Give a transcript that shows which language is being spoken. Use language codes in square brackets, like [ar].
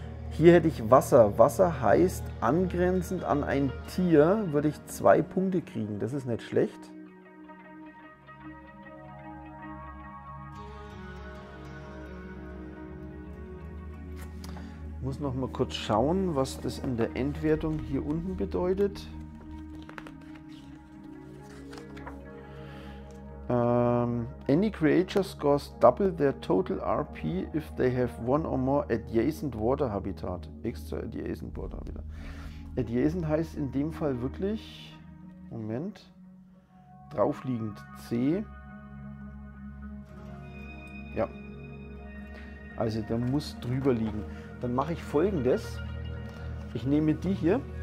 [de] Hier hätte ich Wasser. Wasser heißt, angrenzend an ein Tier würde ich 2 Punkte kriegen. Das ist nicht schlecht. Ich muss noch mal kurz schauen, was das in der Endwertung hier unten bedeutet. [en] Any creature scores double their total RP if they have one or more adjacent water habitat. Extra adjacent water habitat. [de] Adjacent heißt in dem Fall wirklich, Moment, draufliegend C. Ja, also der muss drüber liegen. Dann mache ich Folgendes. Ich nehme die hier.